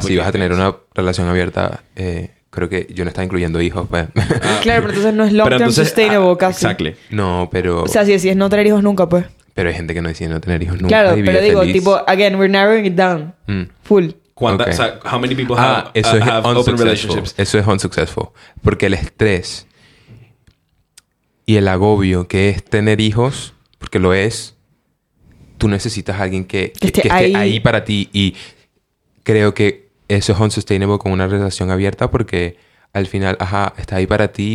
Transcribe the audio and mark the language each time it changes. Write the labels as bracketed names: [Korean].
[Spanish] Si vas a tener una relación abierta, creo que yo no estaba incluyendo hijos. Pues. Claro, pero entonces no es [English] long term sustainable [Spanish] casi. [English] Exactly. [Spanish] No, pero... O sea, si decides no tener hijos nunca, pues... Pero hay gente que no decide no tener hijos nunca. Claro, pero digo, feliz. Tipo, [English] again, we're narrowing it down. Mm. Full. [Spanish] ¿Cuánta? [English] Okay. [Spanish] O sea, [English] how many people have open relationships? [Spanish] Eso es unsuccessful. Porque el estrés y el agobio que es tener hijos, porque lo es, tú necesitas a alguien que esté ahí para ti. Y creo que eso es unsustainable con una relación abierta porque al final, ajá, está ahí para ti.